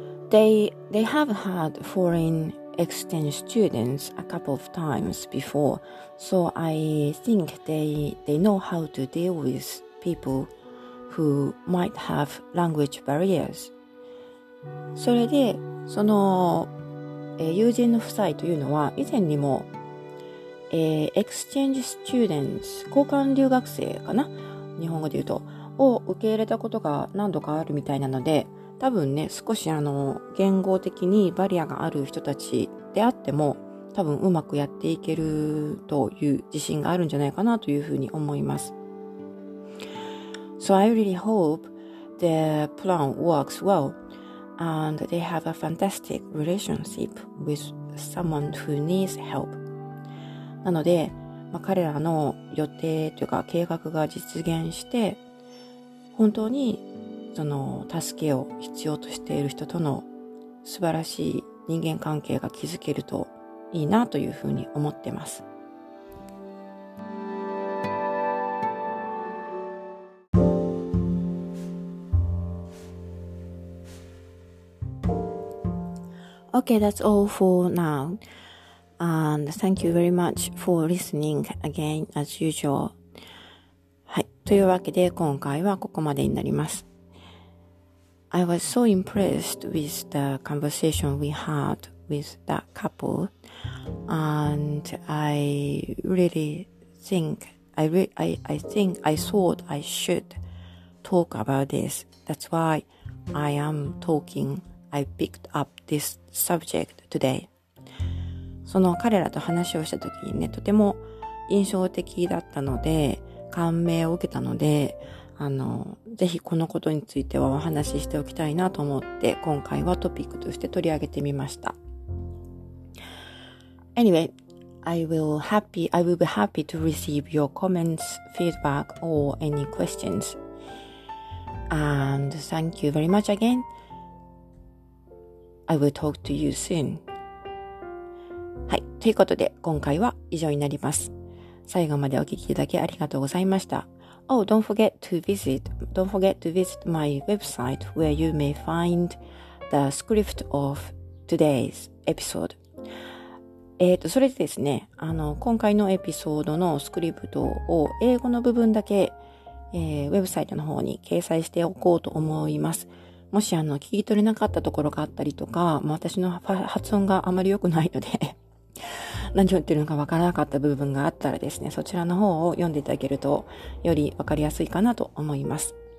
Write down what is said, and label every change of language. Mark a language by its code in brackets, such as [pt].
[en] They have had foreign exchange students a couple of times before, so I think they know how to deal with people who might have language barriers. [ja] それで、その、友人の夫妻というのは以前にも、 [en] exchange students [ja] 交換留学生かな、日本語で言うと、を受け入れたことが何度かあるみたいなので、多分ね、少し言語的にバリアがある人たちであっても多分うまくやっていけるという自信があるんじゃないかなというふうに思います。 [en] So I really hope the plan works wellAnd they have a fantastic relationship with someone who needs help. [ja] なので、まあ、彼らの予定というか計画が実現して、本当にその助けを必要としている人との素晴らしい人間関係が築けるといいなというふうに思ってます。 [en] Okay, that's all for now. And thank you very much for listening again as usual. [ja] はい。というわけで今回はここまでになります。 [en] I was so impressed with the conversation we had with that couple, and I really think I thought I should talk about this. That's why I am talking. I picked up this subject today. [ja] その彼らと話をした時にね、とても印象的だったので、感銘を受けたので、ぜひこのことについてはお話ししておきたいなと思って、今回はトピックとして取り上げてみました。 [en] Anyway, I will be happy to receive your comments, feedback, or any questions. And thank you very much again. I will talk to you soon. [ja] はい、ということで今回は以上になります。最後までお聞きいただきありがとうございました。 [en] Oh, don't forget to visit my website where you may find the script of today's episode. [ja] それでですね、今回のエピソードのスクリプトを英語の部分だけ、ウェブサイトの方に掲載しておこうと思います。もし聞き取れなかったところがあったりとか、私の発音があまり良くないので何を言ってるのかわからなかった部分があったらですね、そちらの方を読んでいただけるとよりわかりやすいかなと思います。